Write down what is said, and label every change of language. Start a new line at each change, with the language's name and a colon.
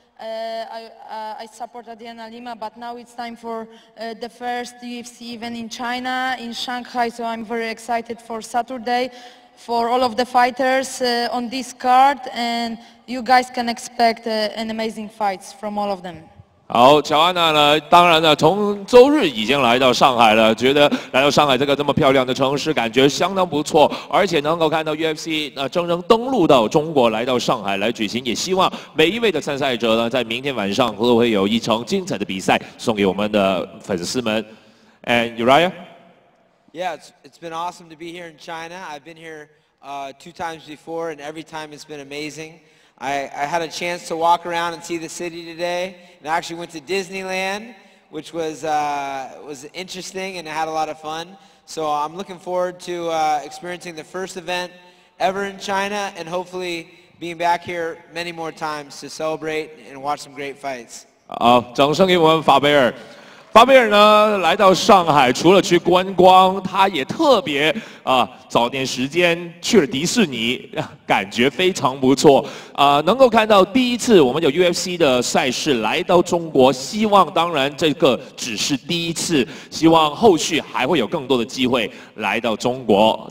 English: I support Adriana Lima, but now it's time for the first UFC event in China, in Shanghai, so I'm very excited for Saturday, for all of the fighters on this card, and you guys can expect an amazing fights from all of them.
Chinese: 好，乔安娜呢？当然呢，从周日已经来到上海了，觉得来到上海这么漂亮的城市，感觉相当不错。而且能够看到 UFC 正登陆到中国，来到上海来举行，也希望每一位的参赛者呢，在明天晚上都会有一场精彩的比赛送给我们的粉丝们。
English: And Uriah? Yeah, it's been awesome to be here in China. I've been here two times before, and every time it's been amazing. I had a chance to walk around and see the city today, and I actually went to Disneyland, which was interesting, and I had a lot of fun. So I'm looking forward to experiencing the first event ever in China, and hopefully being back here many more times to celebrate and watch some great fights.
Chinese: 好，掌声给我们法贝尔。法贝尔呢，来到上海，除了去观光，他也特别早点时间去了迪士尼，感觉非常不错。能够看到第一次我们有 UFC 的赛事来到中国，希望当然这个只是第一次，希望后续还会有更多的机会来到中国。